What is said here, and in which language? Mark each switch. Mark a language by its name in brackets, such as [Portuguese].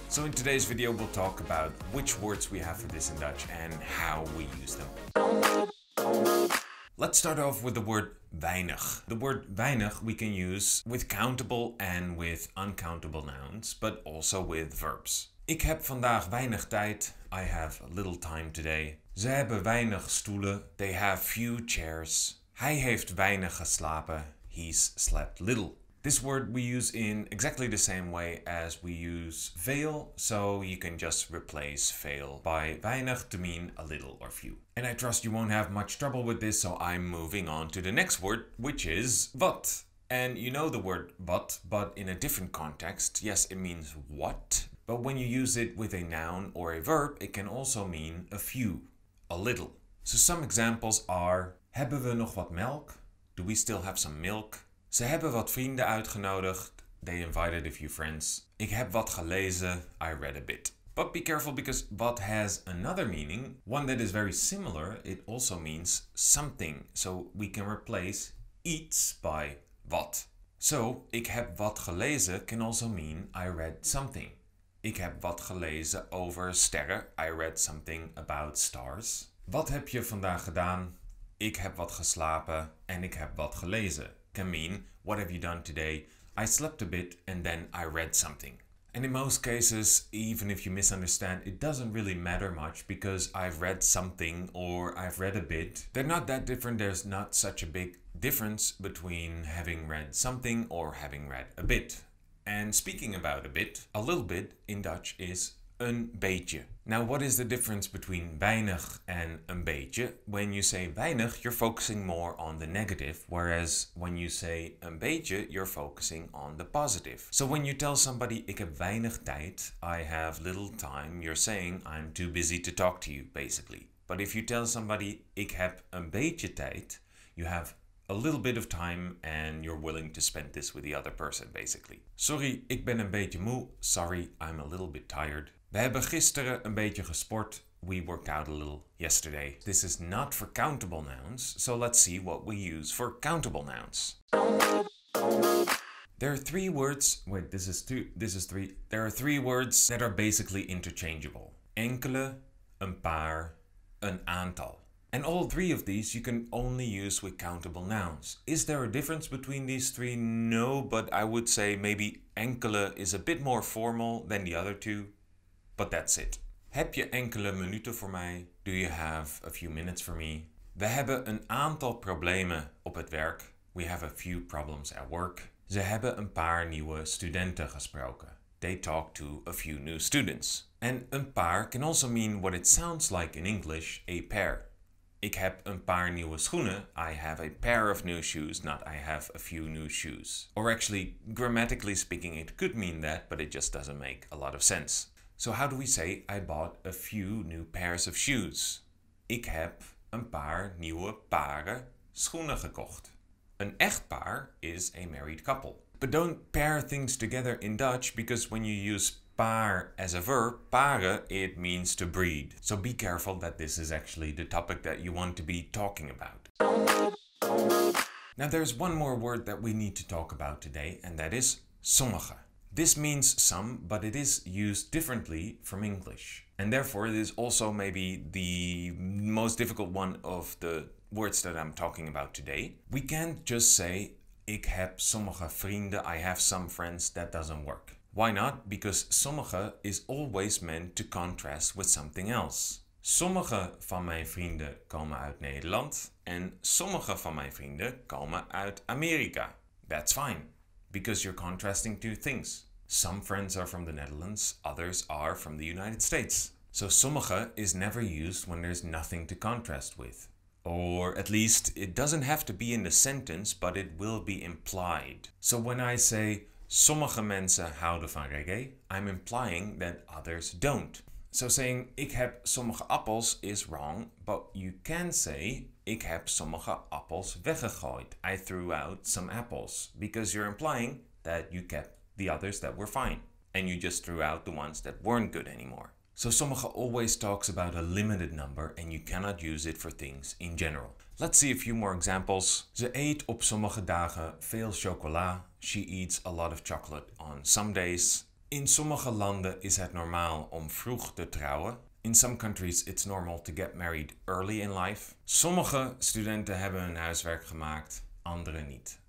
[English] So in today's video, we'll talk about which words we have for this in Dutch and how we use them. Let's start off with the word weinig. The word weinig we can use with countable and with uncountable nouns, but also with verbs. [Dutch] Ik heb vandaag weinig tijd. [English] I have little time today. [Dutch] Ze hebben weinig stoelen. [English] They have few chairs. [Dutch] Hij heeft weinig geslapen. [English] He's slept little. This word we use in exactly the same way as we use veel, so you can just replace veel by weinig to mean a little or few. And I trust you won't have much trouble with this, so I'm moving on to the next word, which is wat. And you know the word wat, but in a different context. Yes, it means what, but when you use it with a noun or a verb, it can also mean a few, a little. So some examples are, [Dutch] hebben we nog wat melk? [English] Do we still have some milk? [Dutch] Ze hebben wat vrienden uitgenodigd. [English] They invited a few friends. [Dutch] Ik heb wat gelezen. [English] I read a bit. But be careful, because wat has another meaning, one that is very similar. It also means something. So we can replace iets by wat. So [Dutch] ik heb wat gelezen [English] can also mean I read something. [Dutch] Ik heb wat gelezen over sterren. [English] I read something about stars. [Dutch] Wat heb je vandaag gedaan? Ik heb wat geslapen en ik heb wat gelezen. [English] Can mean, what have you done today? I slept a bit and then I read something. And in most cases, even if you misunderstand, it doesn't really matter much, because I've read something or I've read a bit. They're not that different. There's not such a big difference between having read something or having read a bit. And speaking about a little bit in Dutch is een beetje. Now, what is the difference between weinig and een beetje? When you say weinig, you're focusing more on the negative, whereas when you say een beetje, you're focusing on the positive. So when you tell somebody, [Dutch] ik heb weinig tijd, [English] I have little time, you're saying, I'm too busy to talk to you, basically. But if you tell somebody, [Dutch] ik heb een beetje tijd, [English] you have a little bit of time and you're willing to spend this with the other person, basically. [Dutch] Sorry, ik ben een beetje moe. [English] Sorry, I'm a little bit tired. [Dutch] We hebben gisteren een beetje gesport. [English] We worked out a little yesterday. This is not for countable nouns, so let's see what we use for countable nouns. There are three words. Wait, this is two. This is three. There are three words that are basically interchangeable. [Dutch] Enkele, een paar, een aantal. [English] And all three of these you can only use with countable nouns. Is there a difference between these three? No, but I would say maybe enkele is a bit more formal than the other two. But that's it. [Dutch] Heb je enkele minuten voor mij? [English] Do you have a few minutes for me? [Dutch] We hebben een aantal problemen op het werk. [English] We have a few problems at work. [Dutch] Ze hebben een paar nieuwe studenten gesproken. [English] They talk to a few new students. And een paar can also mean what it sounds like in English, a pair. [Dutch] Ik heb een paar nieuwe schoenen. [English] I have a pair of new shoes, not I have a few new shoes. Or actually, grammatically speaking, it could mean that, but it just doesn't make a lot of sense. So how do we say I bought a few new pairs of shoes? [Dutch] Ik heb een paar nieuwe paren schoenen gekocht. [English] Een echtpaar is a married couple. But don't pair things together in Dutch, because when you use paar as a verb, paren, it means to breed. So be careful that this is actually the topic that you want to be talking about. Now there's one more word that we need to talk about today, and that is sommige. This means some, but it is used differently from English. And therefore it is also maybe the most difficult one of the words that I'm talking about today. We can't just say, [Dutch] ik heb sommige vrienden, [English] I have some friends. That doesn't work. Why not? Because sommige is always meant to contrast with something else. [Dutch] Sommige van mijn vrienden komen uit Nederland en sommige van mijn vrienden komen uit Amerika. [English] That's fine, because you're contrasting two things. Some friends are from the Netherlands, others are from the United States. So sommige is never used when there's nothing to contrast with. Or at least it doesn't have to be in the sentence, but it will be implied. So when I say [Dutch] sommige mensen houden van reggae, [English] I'm implying that others don't. So saying [Dutch] ik heb sommige appels [English] is wrong, but you can say [Dutch] ik heb sommige appels weggegooid. [English] I threw out some apples, because you're implying that you kept the others that were fine, and you just threw out the ones that weren't good anymore. So sommige always talks about a limited number and you cannot use it for things in general. Let's see a few more examples. [Dutch] Ze eet op sommige dagen veel chocola. [English] She eats a lot of chocolate on some days. [Dutch] In sommige landen is het normaal om vroeg te trouwen. [English] In some countries it's normal to get married early in life. [Dutch] Sommige studenten hebben hun huiswerk gemaakt, andere niet.